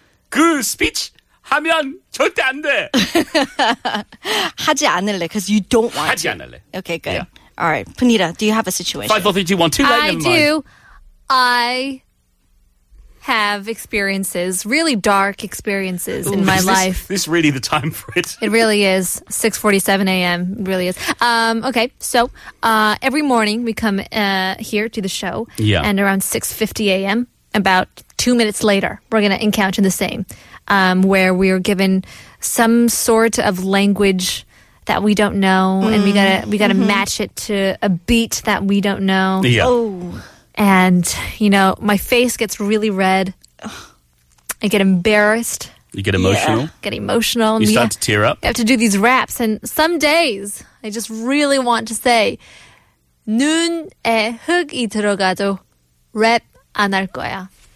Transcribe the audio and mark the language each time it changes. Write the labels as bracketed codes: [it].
[ko] 그 스피치 하면 절대 안 돼. 하지 않을래, [en] because you don't want [ko] 하지 않을래. [en] Okay, good. Yeah. All right, Punita, do you have a situation? 5, 4, 3, 2, 1, too late, I do. I have experiences, really dark experiences in my life. This really the time for it? It really is. 6:47 a.m. It really is. Okay, so every morning we come here to the show. Yeah. And around 6:50 a.m., about 2 minutes later, we're going to encounter the same, where we are given some sort of language that we don't know, and we gotta match it to a beat that we don't know. Yeah. Oh. And, you know, my face gets really red. I get embarrassed. You get emotional. Yeah. Get emotional. You start to tear up. I have to do these raps. And some days, I just really want to say, [ko] 눈에 흙이 들어가도 랩 안 할 거야.